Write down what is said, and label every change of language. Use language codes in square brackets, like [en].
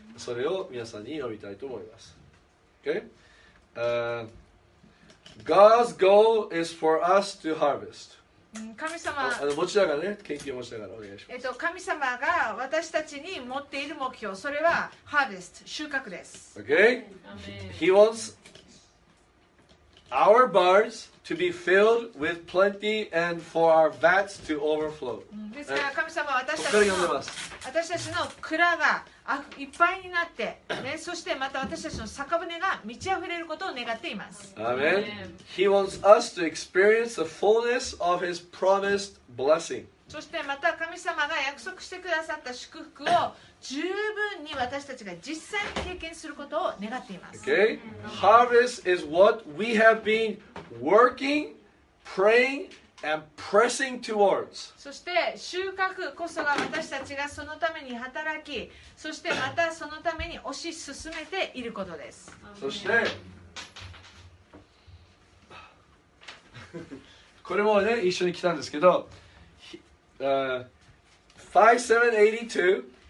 [ja] それを皆さんに読みたいと思います。 [en] Okay? God's goal is for us to harvest. [ja] 神様、持ちながらね、研究持ちながらお願いします。神様が私たちに持っている目標、それはハーベスト、収穫です。 [en] Okay? He wants our barns to be filled with plenty and for our vats to overflow. [ja] ですから神様は私たちの、私たちの蔵がいっぱいになって、ね、そしてまた私たちの酒舟が満ち溢れることを願っています。 [en] Amen. He wants us to experience the fullness of his promised blessing. [ja] そしてまた神様が約束してくださった祝福を十分に私たちが実際に経験することを願っています。 [en] Okay? Harvest is what we have been working, praying, and pressing towards. [ja] そして収穫こそが私たちがそのために働き、そしてまたそのために推し進めていることです。そしてこれもね、一緒に来たんですけど、5782